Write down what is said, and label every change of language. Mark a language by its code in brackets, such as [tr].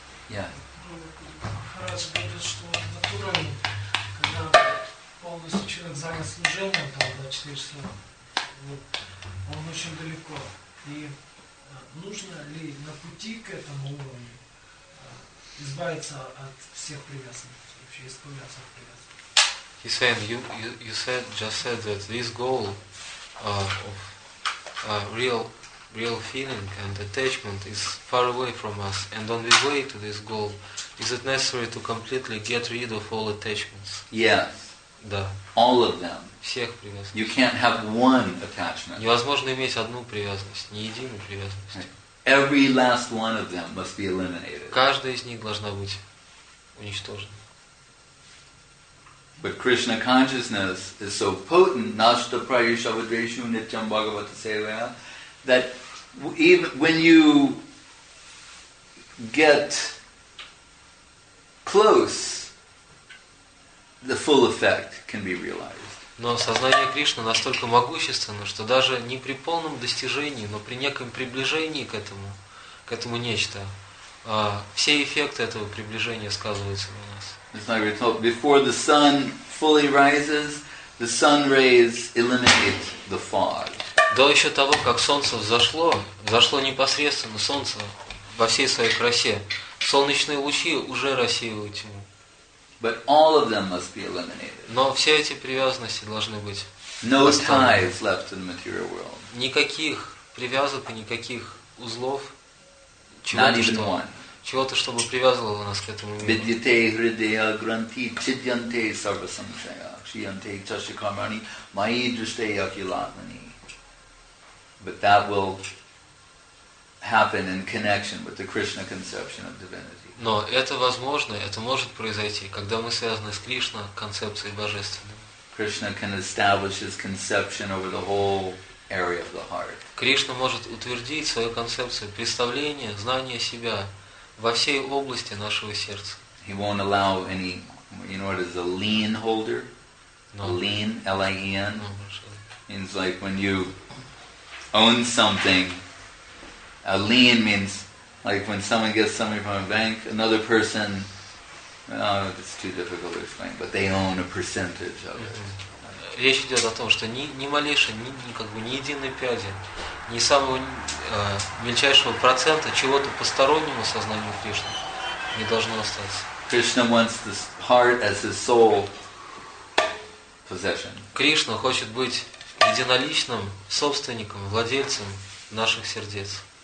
[ru] Махарадж говорит, что на уровне, когда полностью человек занят служением, там, да, 4 часа, вот, он очень далеко. И нужно ли на пути к этому уровню избавиться от всех привязанностей, вообще исполняться от привязанностей? [en] He's saying, you said that this goal of real feeling and attachment is far away from us, and on the way to this goal, is it necessary to completely get rid of all attachments? Yes. [ru] Да. [en] All of them. [ru] Всех привязанностей. [en] You can't have one attachment. [ru] Невозможно иметь одну привязанность, не единую привязанность. [en] Every last one of them must be eliminated. [ru] Каждая из них должна быть уничтожена. [en] But Krishna consciousness is so potent, [sa] nashta prayashavadreshu nityam bhagavata sevaya, [en] that even when you get close, the full effect can be realized. [ru] Но сознание Кришны настолько могущественно, что даже не при полном достижении, но при неком приближении к этому нечто, все эффекты этого приближения сказываются на нас. [en] It's like we thought, before the sun fully rises, the sun rays eliminate the fog. [ru] До еще того, как солнце взошло, взошло непосредственно солнце во всей своей красе, солнечные лучи уже рассеивают тьму. [en] But all of them must be eliminated. [ru] Но все эти привязанности должны быть. [en] No ties left in the material world. [ru] Никаких привязок и никаких узлов, чего-то, чтобы привязывало нас к этому миру. [sa] Бидьяте хридея гранти чидьянте сарвасамсая чидьянте чашикармани майи дриште якилатмани. [en] But that will happen in connection with the Krishna conception of divinity. [ru] Но это возможно, это может произойти, когда мы связаны с Кришна концепцией божественной. [en] Krishna can establish his conception over the whole area of the heart. [ru] Кришна может утвердить свою концепцию представления знания себя во всей области нашего сердца. [en] He won't allow any, you know, what is a lien holder? No. Lien, L-I-E-N. Means like when you own something. A lien means like when someone gets something from a bank, another person, it's too difficult to explain, but they own a percentage of it. [ru] Речь идет о том, что ни малейшей, ни как бы ни единой пяди, ни самого мельчайшего процента чего-то постороннего сознанию Кришны не должно остаться. [en] Krishna wants the heart as his sole possession. [ru] Кришна хочет быть единоличным собственником, владельцем наших сердец.